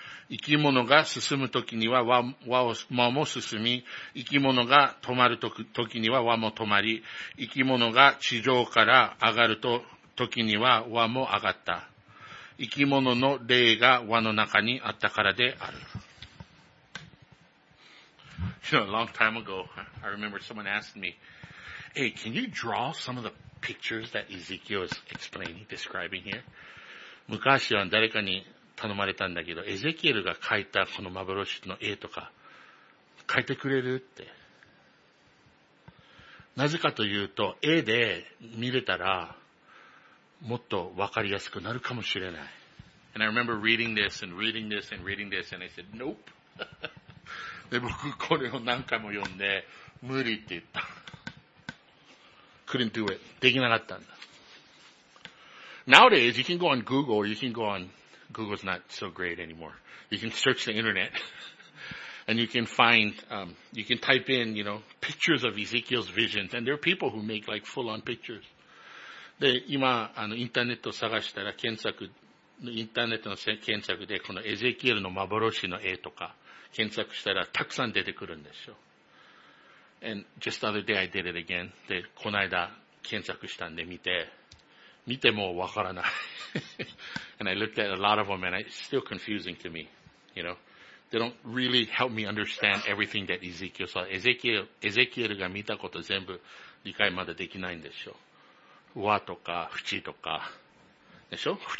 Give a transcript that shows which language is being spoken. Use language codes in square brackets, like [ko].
[ja] 生き物が進むときには輪も進み、生き物が止まるときには輪も止まり、生き物が地上から上がると時には輪も上がった。生き物の霊が輪の中にあったからである。 [en] You know, a long time ago, I remember someone asked me, "Hey, can you draw some of the pictures that Ezekiel is explaining, describing here?" [ja] 昔は誰かに頼まれたんだけど、エゼキエルが描いたこの幻の絵とか、描いてくれるって。なぜかというと、絵で見れたら、もっとわかりやすくなるかもしれない。 [en] And I remember reading this and reading this and reading this and I said, nope. [ja] で、僕これを何回も読んで、無理って言った。 [en] Couldn't do it. [ja] できなかったんだ。 [en] Nowadays, you can go on Google or you can go on, Google's not so great anymore. You can search the internet and you can find, you can type in, you know, pictures of Ezekiel's visions and there are people who make like full on pictures. [ja] で、今、インターネットを探したら、インターネットの検索で、このエゼキエルの幻の絵とか、検索したら、たくさん出てくるんですよ。 [en] And just the other day I did it again. [ja] で、この間、検索したんで見てもわからない。 [en] And I looked at a lot of them and it's still confusing to me. You know? They don't really help me understand everything that Ezekiel saw. [ja] エゼキエルが見たこと全部理解まだできないんですよ。輪とか、縁とか。でしょ？